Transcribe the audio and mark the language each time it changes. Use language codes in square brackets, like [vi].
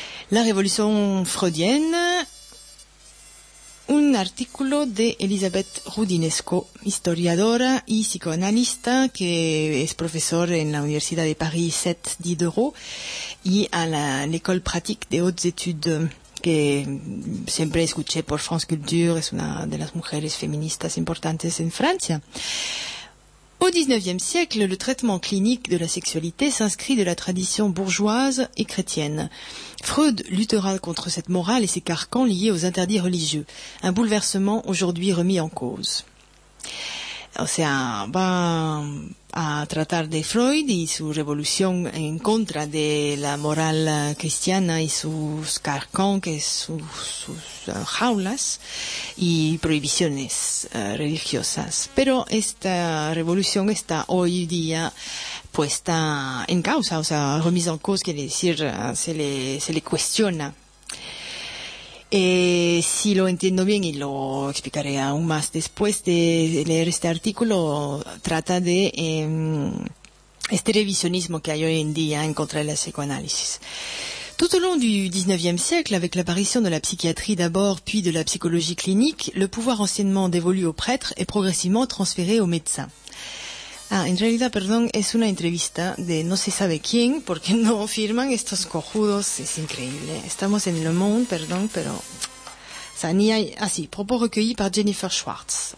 [es] La revolución freudienne, un artículo de Elizabeth Rudinesco, historiadora y psicoanalista, que es profesor en la Universidad de París 7 Diderot y a l'École Pratique des Hautes Études, que siempre escuché por France Culture, es una de las mujeres feministas importantes en Francia. [fr] Au XIXe siècle, le traitement clinique de la sexualité s'inscrit de la tradition bourgeoise et chrétienne. Freud luttera contre cette morale et ses carcans liés aux interdits religieux, un bouleversement aujourd'hui remis en cause. [es] O sea, va a tratar de Freud y su revolución en contra de la moral cristiana y sus carcans, que es sus jaulas y prohibiciones religiosas. Pero esta revolución está hoy día puesta en causa, o sea, [fr] remise en cause, [es] quiere decir, se le cuestiona. Si lo entiendo bien, y lo explicaré aún más después de leer este artículo, trata de este revisionismo que hay hoy en día en contra de la psicoanálisis. [fr] Tout au long du XIXe siècle, avec l'apparition de la psychiatrie d'abord, puis de la psychologie clinique, le pouvoir anciennement dévolu aux prêtres est progressivement transféré aux médecins. [es] Ah, en realidad, perdón, es una entrevista de no se sabe quién, porque no firman estos cojudos, es increíble. Estamos en Le Monde, perdón, pero... [fr] propos recueillis par Jennifer Schwartz.